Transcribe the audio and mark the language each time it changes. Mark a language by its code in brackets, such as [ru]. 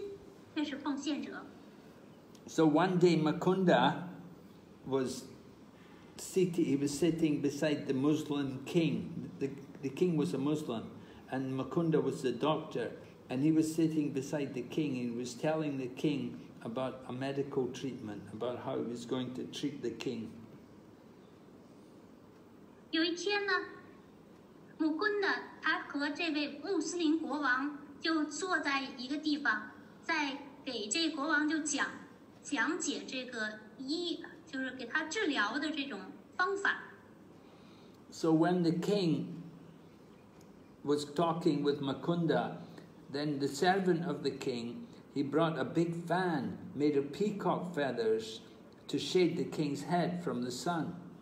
[zh] 即便这些奉献者表面上好像是普通的居士，或者是普通的生意人，或者是职场上的人，但是他们的内心却是奉献者。 [en] So one day Mukunda was sitting beside the Muslim king. The king was a Muslim and Mukunda was the doctor, and he was sitting beside the king and he was telling the king about a medical treatment, about how he was going to treat the king. [zh] 有一天呢，穆昆达他和这位穆斯林国王就坐在一个地方，在给这国王就讲解这个医，就是给他治疗的这种方法。 [en] So when the king was talking with Mukunda, then the servant of the king, he brought a big fan made of peacock feathers to shade the king's head from the sun.